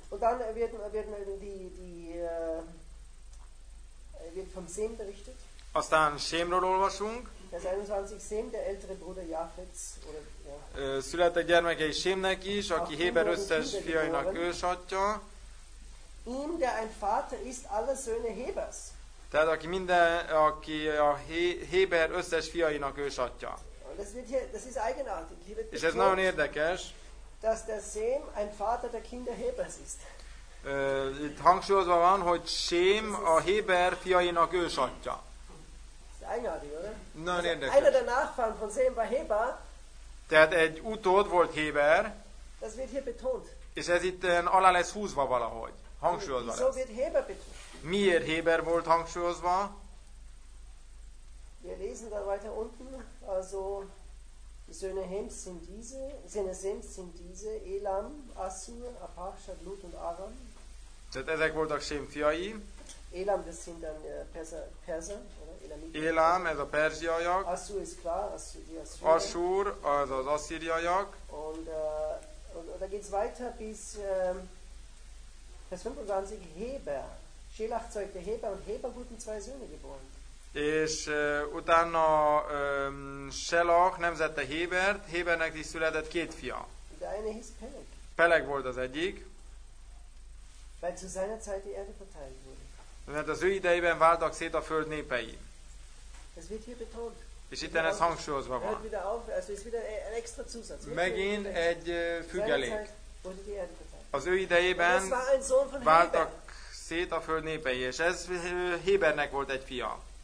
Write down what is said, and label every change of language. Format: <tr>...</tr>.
<de>Und dann werden die wird vom Sem berichtet.</de> <hu>Aztán Sémről olvasunk.</hu> <de>Vers 21 Sem, der ältere Bruder Jafetz.</de> <hu>Született gyermekei Sémnek is, aki Héber összes fiainak ősatja.</hu> <de>Ihm, der ein Vater ist aller Söhne Hebers.</de> <hu>Tehát aki minden, aki a Héber összes fiainak ősatja.</hu> <de>Das ist eigenartig.</de> <hu>És ez nagyon érdekes.</hu> <de>Dass der Sem ein Vater der Kinder Hebers ist.</de> <hu>Itt hangsúlyozva van, hogy Sem a Héber fiainak ősatja.</hu> <de>Eigenartig, oder? Nagyon</de> <hu>érdekes.</hu> <de>Der Nachfahren von Sem war Heber.</de> <hu>Tehát egy utód volt Héber.</hu> <de>Das wird hier betont.</de> <hu>És ez itt alá lesz húzva valahogy. Hangsúlyozva lesz.</hu> <de>So wird Heber betont.</de> <hu>Miért Héber volt hangsúlyozva?</hu> <de>Wir lesen da weiter unten, also die Söhne Hems sind diese, Söhne Sems sind diese, Elam, Assur, Arpachshad, Lut und Aram.</de> <hu>Tehát ezek voltak Sém fiai.</hu> <de>Elam, das sind dann Perser, oder?</de> <hu>Elam, ez a perzsiaiak.</hu> <de>Assur ist klar, Assur, die Assur.</de> <hu>Assur, az az asszíriaiak.</hu> <de>Und da geht's weiter bis Vers 25, Héber. Shelach zeugte Heber und Heber wurden zwei Söhne geboren.</de> <hu>És utána Shelach nemzette Hebert, Hebernek is született két fia.</hu> <de>Der eine hieß Peleg.</de> <hu>Peleg volt az egyik.</hu> <de>Weil zu seiner Zeit die Erde verteilt wurde.</de> <hu>Mert az ő idejében váltak szét a föld népei.</hu> <de>Es wird hier betont.</de> <hu>És itt ez hangsúlyozva van.</hu> <de>Wieder auf, also ist wieder ein extra Zusatz.</de> <hu>Megint egy függelék. Az ő idejében váltak szét a föld népei, és ez Hébernek volt egy fia.</hu>